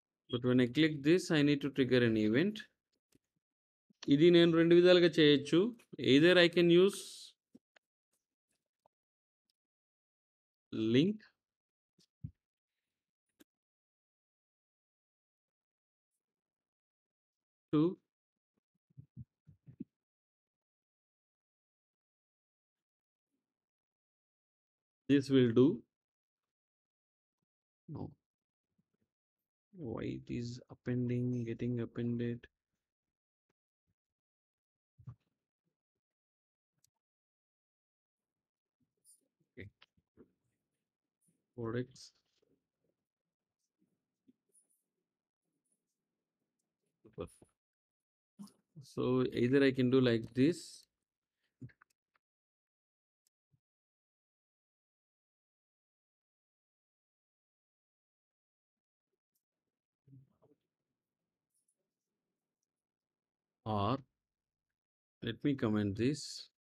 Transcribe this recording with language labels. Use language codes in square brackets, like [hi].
[en] But when I click this, I need to trigger an event. [te] ఇది నేను రెండు విధాలుగా చేయొచ్చు. [en] Either I can use link to this will do no why it is appending getting appended products perfect. So either I can do like this, or let me comment this.